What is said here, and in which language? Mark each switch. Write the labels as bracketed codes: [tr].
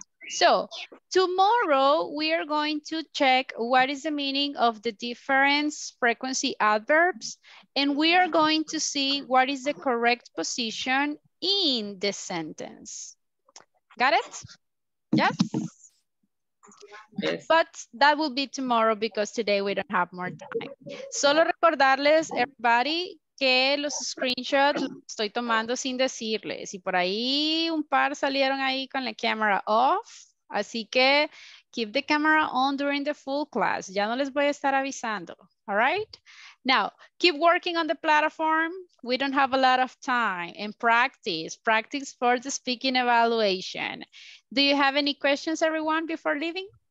[en] So, tomorrow we are going to check what is the meaning of the different frequency adverbs, and we are going to see what is the correct position in the sentence. Got it? Yes? Yes. But that will be tomorrow because today we don't have more time. [es] Solo recordarles, [en] everybody, [es] que los screenshots estoy tomando sin decirles. Y por ahí un par salieron ahí con la [en] camera off. [es] Así que [en] keep the camera on during the full class. [es] Ya no les voy a estar avisando. [en] All right? Now, keep working on the platform. We don't have a lot of time. And practice. Practice for the speaking evaluation. Do you have any questions, everyone, before leaving?